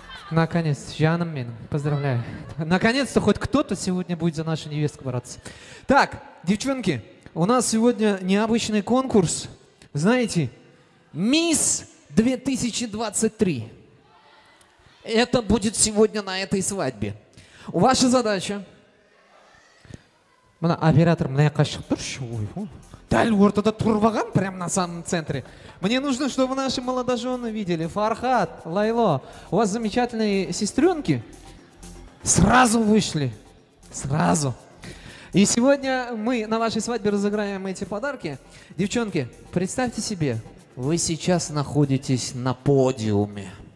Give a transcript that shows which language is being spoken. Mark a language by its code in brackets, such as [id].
[ru] Наконец, [kaa] жаным меним, [ru] поздравляю. Наконец-то хоть кто-то сегодня будет за нашу невестку бороться. Так, девчонки, у нас сегодня необычный конкурс. Знаете, Мисс 2023. Это будет сегодня на этой свадьбе. Ваша задача. [kaa] Мына оператор, мына яққа шығып тұршы, ой, дәл ортада тұрбаған, [ru] прямо на самом центре. Мне нужно, чтобы наши молодожены видели. Фархат, Лайло, у вас замечательные сестренки. Сразу вышли. Сразу. И сегодня мы на вашей свадьбе разыграем эти подарки. Девчонки, представьте себе, вы сейчас находитесь на подиуме.